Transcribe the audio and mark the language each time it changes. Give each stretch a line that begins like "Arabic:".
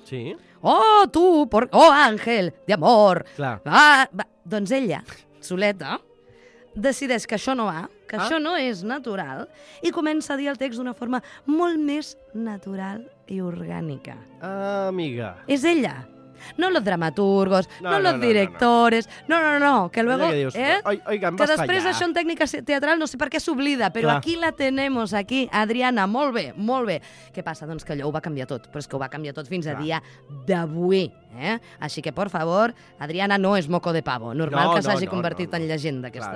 Catalan: Sí. Oh, tu, oh, àngel, d'amor. Clar. Doncs ella, soleta, decideix que això no va, que això no és natural, i comença a dir el text d'una forma molt més natural i orgànica. Amiga. És ella.
Spanish: No los dramaturgos, no los directores, no, que luego,
Catalan: que dius, oiga, que després d'això en tècnica teatral no sé per què s'oblida, però clar,
Spanish: aquí la tenemos,
Catalan: aquí, Adriana, molt bé, molt bé. Què passa? Doncs que allò ho va canviar tot, però és que ho va canviar tot fins al dia d'avui, eh? Així que, por favor, Adriana no és
Spanish: moco de pavo,
Catalan: normal que s'hagi convertit en llegenda aquesta.